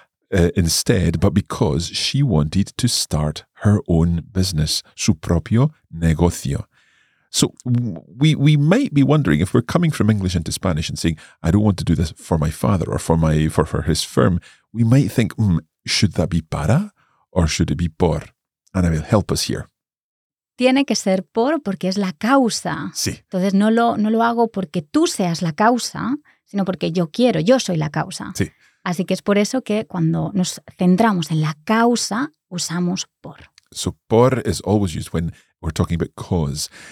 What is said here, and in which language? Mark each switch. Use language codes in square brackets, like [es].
[en] Instead, but because she wanted to start her own business, [es] su propio negocio. [en] So we might be wondering, if we're coming from English into Spanish and saying, I don't want to do this for my father or for his firm, we might think, should that be para or should it be por? Anabel, help us here. [es] Tiene que ser por, porque es la causa. Sí. Entonces no lo hago porque tú seas la causa, sino porque yo quiero, yo soy la causa. Sí. Así que es por eso que cuando nos centramos en la causa, usamos por. [en] So por is always used when we're talking about cause.